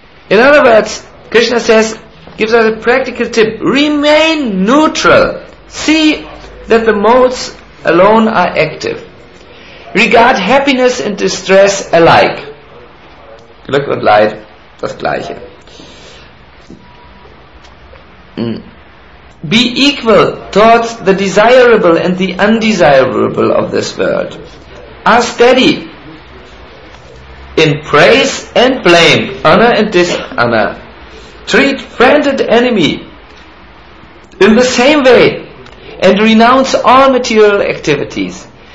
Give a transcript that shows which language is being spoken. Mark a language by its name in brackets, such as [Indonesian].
[English] In other words, Krishna says, gives us a practical tip, remain neutral. See that the modes alone are active. Regard happiness and distress alike. [German] Glück und Leid, das Gleiche. [English] Be equal towards the desirable and the undesirable of this world. Are steady in praise and blame, honor and dishonor. Treat friend and enemy in the same way and renounce all material activities.